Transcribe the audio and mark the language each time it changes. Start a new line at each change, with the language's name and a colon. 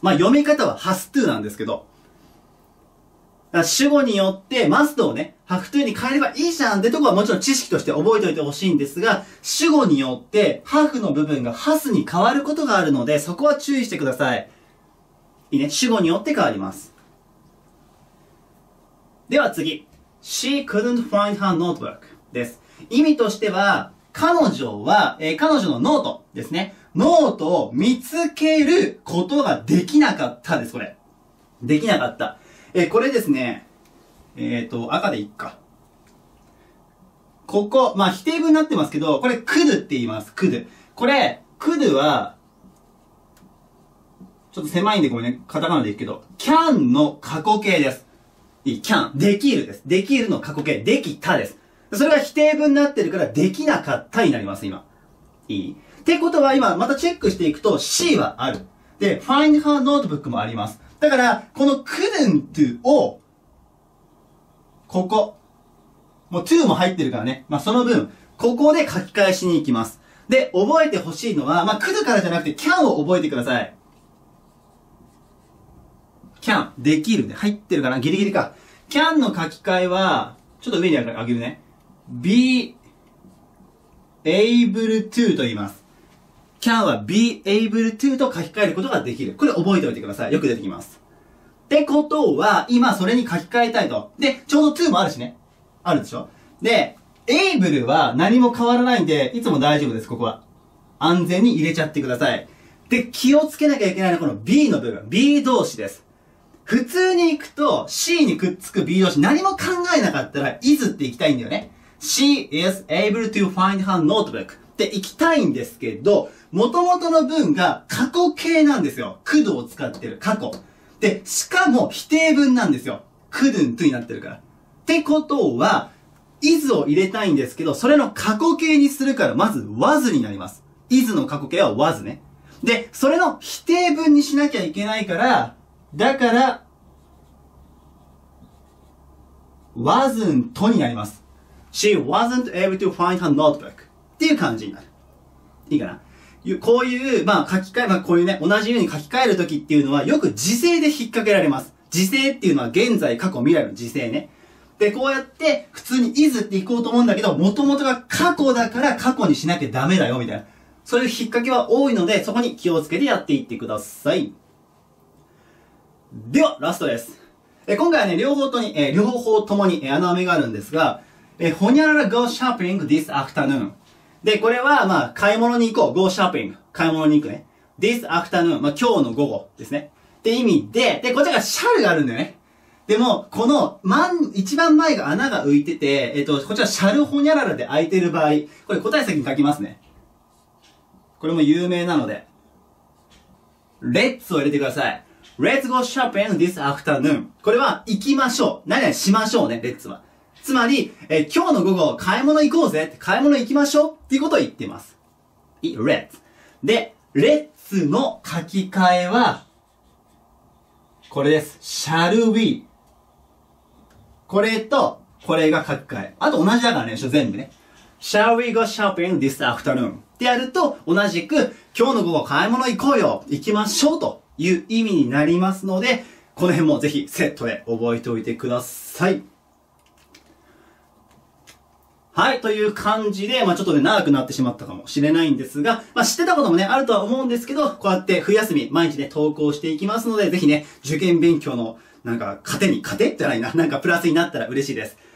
Japanese: まあ読み方は
English: has to
Japanese: なんですけど。主語によってマストをね、白昼に変えればいいじゃんってとこはもちろん知識として覚えておいてほしいんですが、主語によってハーフの部分がハスに変わることがあるので、そこは注意してください。いいね。主語によって変わります。では次。
English: She couldn't find her notebook
Japanese: です。意味としては、彼女のノートですね。ノートを見つけることができなかったです、これ。できなかった。これですね、赤でいっか。ここ、まあ、否定文になってますけど、これ、could って言います、could。これ、could は、ちょっと狭いんでごめんね、カタカナでいくけど、can の過去形です。いい、can、できるです。できるの過去形、できたです。それが否定文になってるから、できなかったになります、今。いい。ってことは、今、またチェックしていくと、C はある。で、find her notebook もあります。だから、この couldn't を、ここ。もう to も入ってるからね。まあ、その分、ここで書き換えしに行きます。で、覚えてほしいのは、まあ、could からじゃなくて can を覚えてください。 can、できるね。入ってるかな？ギリギリか。can の書き換えは、ちょっと上に上げるね。
English: be able to
Japanese: と言います。 can は
English: be able to
Japanese: と書き換えることができる。これ覚えておいてください。よく出てきます。ってことは、今それに書き換えたいと。で、ちょうど to もあるしね。あるでしょ。で、able は何も変わらないんで、いつも大丈夫です、ここは。安全に入れちゃってください。で、気をつけなきゃいけないのはこの be の部分。be 動詞です。普通に行くと、c にくっつく be 動詞。何も考えなかったら、is って行きたいんだよね。
English: she is able to find her notebook。
Japanese: って行きたいんですけど、元々の文が過去形なんですよ。 could を使ってる。過去。で、しかも否定文なんですよ。 couldn't になってるから。ってことは、is を入れたいんですけど、それの過去形にするから、まず was になります。 is の過去形は was ね。で、それの否定文にしなきゃいけないから、だから、wasn't になります。
English: she wasn't able to find her notebook.
Japanese: っていう感じになる。いいかな。こういう、まあ書き換え、まあこういうね、同じように書き換えるときっていうのは、よく時制で引っ掛けられます。時制っていうのは現在、過去、未来の時制ね。で、こうやって、普通に is って行こうと思うんだけど、元々が過去だから過去にしなきゃダメだよ、みたいな。そういう引っ掛けは多いので、そこに気をつけてやっていってください。では、ラストです。今回はね、両方ともに穴埋めがあるんですが、ホニャララ
English: go shopping this afternoon。
Japanese: で、これは、まあ、買い物に行こう。
English: go shopping.
Japanese: 買い物に行くね。
English: this afternoon.
Japanese: まあ、今日の午後ですね。って意味で、で、こちらが shall があるんだよね。でも、この、一番前が穴が浮いてて、こちら shall ほにゃららで空いてる場合、これ答え先に書きますね。これも有名なので。let's を入れてください。
English: let's go shopping this afternoon.
Japanese: これは、行きましょう。何々しましょうね、let's は。つまり、今日の午後、買い物行こうぜって、買い物行きましょうっていうことを言ってます。いい ?let's。で、let's の書き換えは、これです。
English: shall we?
Japanese: これと、これが書き換え。あと同じだからね、全部ね。
English: shall we go shopping this afternoon?
Japanese: ってやると、同じく、今日の午後買い物行こうよ行きましょうという意味になりますので、この辺もぜひセットで覚えておいてください。はい、という感じで、まぁ、ちょっとね、長くなってしまったかもしれないんですが、まぁ、知ってたこともね、あるとは思うんですけど、こうやって冬休み、毎日ね、投稿していきますので、ぜひね、受験勉強の、なんか、糧ってないな、なんかプラスになったら嬉しいです。